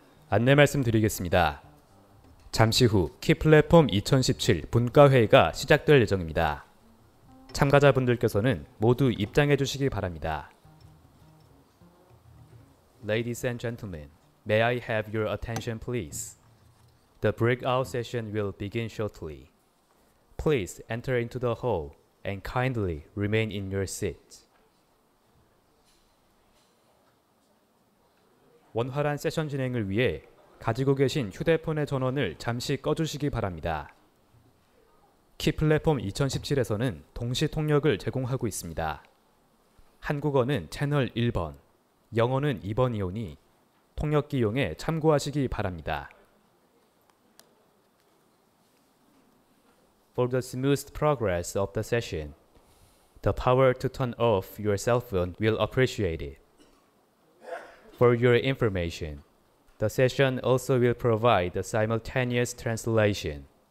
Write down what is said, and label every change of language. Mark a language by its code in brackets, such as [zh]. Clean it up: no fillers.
[ko] 안내 말씀드리겠습니다. 잠시 후 키플랫폼 2017 분과회의가 시작될 예정입니다. 참가자분들께서는 모두 입장해 주시기 바랍니다. [en] Ladies and gentlemen, may I have your attention please? The breakout session will begin shortly. Please enter into the hall and kindly remain in your seat. [ko] 원활한 세션 진행을 위해 가지고 계신 휴대폰의 전원을 잠시 꺼주시기 바랍니다. 키플랫폼 2017에서는 동시 통역을 제공하고 있습니다. 한국어는 채널 1번, 영어는 2번이오니 통역기 이용에 참고하시기 바랍니다. [en] For the smooth progress of the session, the power to turn off your cell phone will appreciate it. For your information, the session also will provide a simultaneous translation.